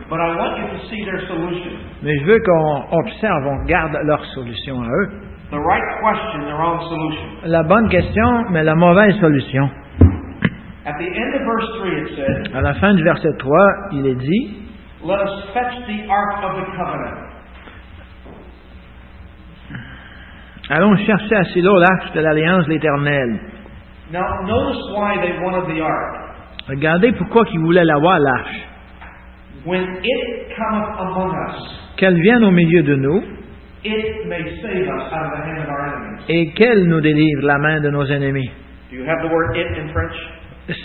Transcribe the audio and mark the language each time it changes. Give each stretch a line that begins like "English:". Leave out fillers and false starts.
English: But I want you to see their solution.
French: Mais je veux qu'on observe, on garde leur solution à eux.
English: The right question, the wrong solution.
French: La bonne question, mais la mauvaise solution.
English: At the end of verse 3, it says,
French: à la fin du verset 3, il est dit,
English: let us fetch the ark of the covenant.
French: Allons chercher à Silo l'arc de l'Alliance de l'Éternel.
English: Now, notice why they wanted the ark.
French: Regardez pourquoi ils voulaient l'avoir, l'arche.
English: When it cometh among us,
French: qu'elle vienne au milieu de nous,
English: it may save us out of the hand of our enemies.
French: Et qu'elle nous délivre la main de nos ennemis.
English: Do you have the word it in French?